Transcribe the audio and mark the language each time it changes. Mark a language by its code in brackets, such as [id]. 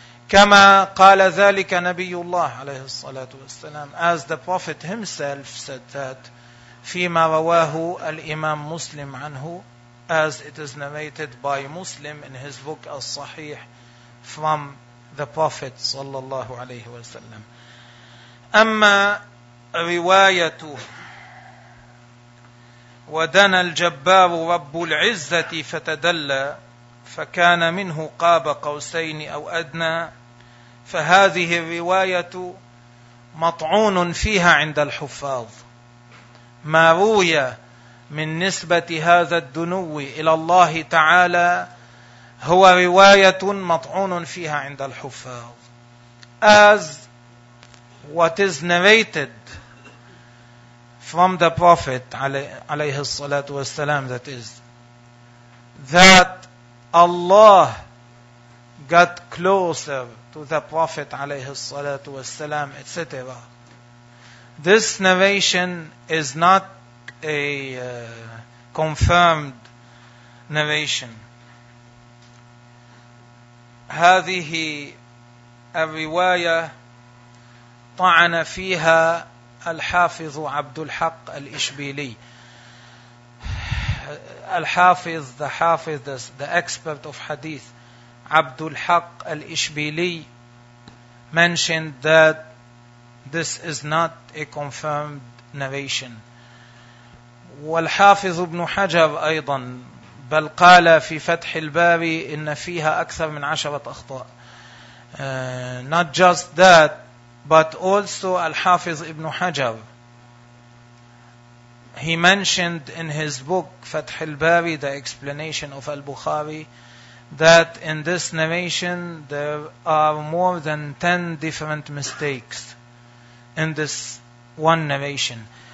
[ar] كما قال ذلك نبي الله عليه الصلاة والسلام, [en] as the Prophet himself said that [ar] فيما رواه الإمام مسلم عنه, [en] as it is narrated by Muslim in his book [ar] الصحيح [en] from the Prophet [ar] صلى الله عليه وسلم. أما رواية ودنا الجبار رب العزة فتدلى فكان منه قاب قوسين أو أدنى, فهذه الرواية مطعون فيها عند الحفاظ. ما روي من نسبة هذا الدنو إلى الله تعالى هو رواية مطعون فيها عند الحفاظ. [en] As what is narrated from the Prophet عليه الصلاة والسلام, that is that Allah got closer to the Prophet عليه الصلاة والسلام, etc. This narration is not a confirmed narration. [ar] هذه الرواية طعن فيها الحافظ عبد الحق الإشبيلي. [en] الحافظ, the expert of hadith, عبد الحق الإشبيلي mentioned that this is not a confirmed narration. [ar] والحافظ ابن حجر أيضا بل قال في فتح الباري إن فيها أكثر من 10 أخطاء. [en] Not just that, but also الحافظ ابن حجر, he mentioned in his book فتح الباري, the explanation of البخاري, that in this narration there are more than 10 different mistakes in this one narration.